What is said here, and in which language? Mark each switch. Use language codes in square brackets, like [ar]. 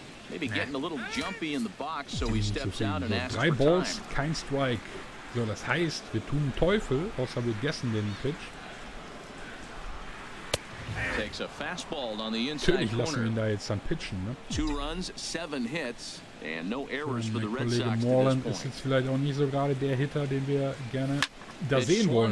[en] Maybe getting a little jumpy in the box, so he steps out and asks. [de] Drei Balls, kein Strike. So, das heißt, wir tun Teufel, außer wir gessen den Pitch. [en] Takes a fastball on the inside. [de] Natürlich lassen wir ihn da jetzt dann pitchen, ne? [en] Two runs, seven hits, and no errors for the Red Sox. [de] Kollege Moreland ist jetzt vielleicht auch nicht so gerade der Hitter, den wir gerne da sehen wollen.